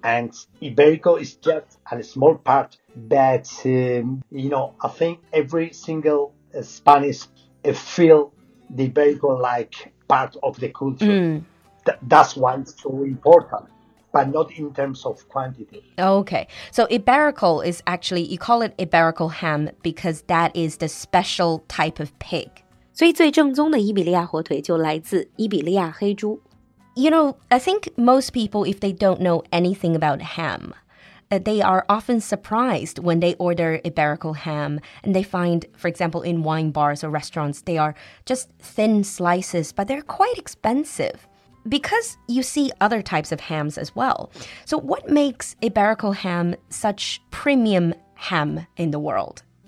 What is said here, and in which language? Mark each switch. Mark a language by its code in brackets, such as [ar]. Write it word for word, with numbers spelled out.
[en] And Iberico is just a small part. But, um, you know, I think every single uh, Spanish uh, feel the Iberico like part of the culture. Mm. That's why it's so important, but not in terms of quantity. Okay. So Iberico is actually, you call it Iberico ham because that is the special type of pig. [zh] 所以最正宗的伊比利亚火腿就来自伊比利亚黑猪。 [en] You know, I think most people, if they don't know anything about ham, uh, they are often surprised when they order Iberico ham and they find, for example, in wine bars or restaurants, they are just thin slices, but they're quite expensive. Because you see other types of hams as well. So what makes Iberico ham such premium ham in the world?